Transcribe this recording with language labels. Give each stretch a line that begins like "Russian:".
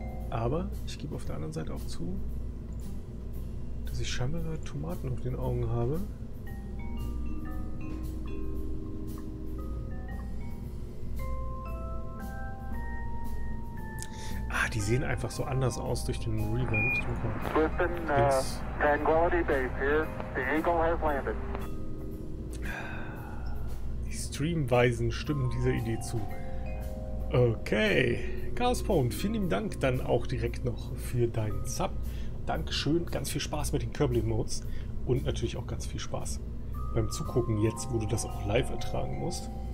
German: Aber ich gebe auf der anderen Seite auch zu, dass ich scheinbar Tomaten auf den Augen habe. Ah, die sehen einfach so anders aus durch den Revamp.
English: Listen, Tranquility Base here. The Eagle has landed.
German: Die Streamweisen stimmen dieser Idee zu. Okay. Chaospwn, vielen lieben Dank dann auch direkt noch für deinen Sub. Dankeschön, ganz viel Spaß mit den Kirby-Modes und natürlich auch ganz viel Spaß beim Zugucken, jetzt wo du das auch live ertragen musst.